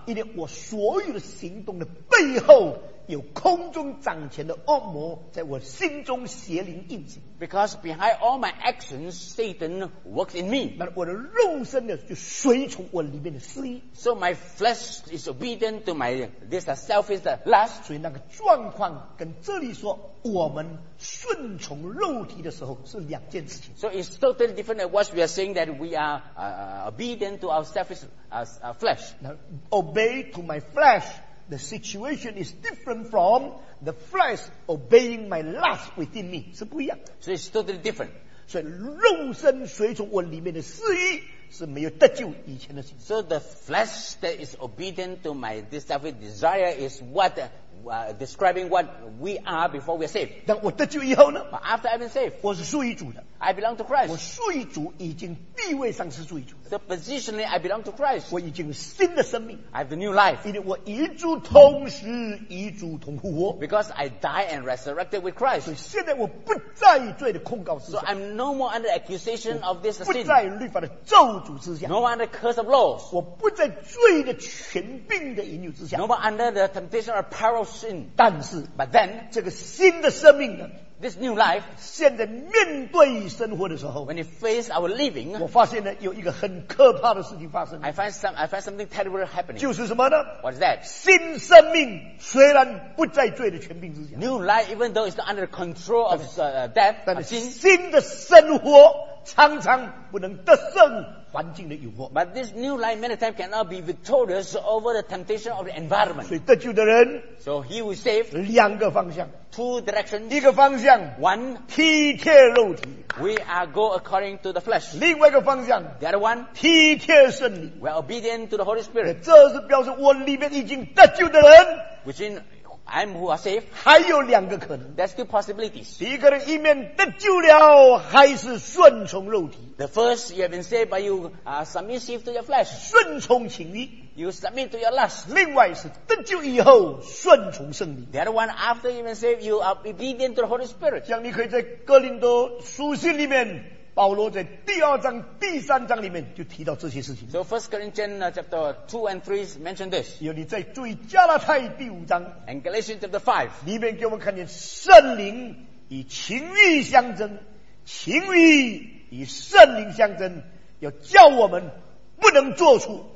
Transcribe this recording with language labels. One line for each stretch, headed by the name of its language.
Chinese: 因为我所有的行动的背后有空中掌权的恶魔在我心中邪灵运行。
English: Because behind all my actions, Satan works in me.
Chinese: 那我的肉身呢，就随从我里面的私欲。
English: So my flesh is obedient to my this selfish lust.
Chinese: 所以那个状况跟这里说我们顺从肉体的时候是两件事情。
English: So it's totally different than what we are saying that we are obedient to our selfish flesh. Now, obey to my flesh. The situation is different from the flesh obeying my lust within me.
Chinese: 是不一样的。
English: So it's totally different.
Chinese: 所以肉身随从我里面的私欲是没有得救以前的事情。
English: So the flesh that is obedient to my selfish desire is what describing what we are before we are saved.
Chinese: 但我得救以后呢？
English: But after I've been saved,
Chinese: 我是属于主的。
English: I belong to Christ.
Chinese: 我属于主已经地位上是属于主的。
English: So positionally, I belong to Christ.
Chinese: 我已经有新的生命。
English: I have the new life.
Chinese: 因为我与主同时与主同复活。
English: Because I die and resurrected with Christ.
Chinese: 所以现在我不在罪的控告之下。
English: So I'm no more under accusation of this sin.
Chinese: 不在律法的咒诅之下。
English: No more under curse of laws.
Chinese: 我不在罪的权柄的引诱之下。
English: No more under the temptation or power of sin.
Chinese: 但是
English: But then,
Chinese: 这个新的生命呢？
English: This new life,
Chinese: 现在面对生活的时候
English: when you face our living,
Chinese: 我发现呢有一个很可怕的事情发生
English: I find something terrible happening.
Chinese: 就是什么呢
English: What is that?
Chinese: 新生命虽然不在罪的权柄之下
English: New life, even though it's not under control of death,
Chinese: 但是新的生活常常不能得胜环境的诱惑
English: But this new life many times cannot be victorious over the temptation of the environment.
Chinese: 所以得救的人
English: So he will save
Chinese: 两个方向
English: Two directions.
Chinese: 一个方向
English: One.
Chinese: 体贴肉体
English: We are go according to the flesh.
Chinese: 另外一个方向
English: The other one.
Chinese: 体贴圣灵
English: We are obedient to the Holy Spirit.
Chinese: 这是表示我里面已经得救的人
English: Which in I'm who are saved.
Chinese: 还有两个可能
English: There's two possibilities.
Chinese: 第一个人一面得救了还是顺从肉体
English: The first you have been saved but you are submissive to your flesh.
Chinese: 顺从情欲
English: You submit to your lust.
Chinese: 另外是得救以后顺从圣灵。
English: The other one after you've been saved, you are obedient to the Holy Spirit.
Chinese: 像你可以在哥林多书信里面，保罗在第二章、第三章里面就提到这些事情。
English: So First Corinthians chapter 2 and 3 mentioned this.
Chinese: 有你在注意加拉太第五章
English: ，and Galatians chapter 5
Chinese: 里面给我们看见圣灵与情欲相争，情欲与圣灵相争，要叫我们不能做出。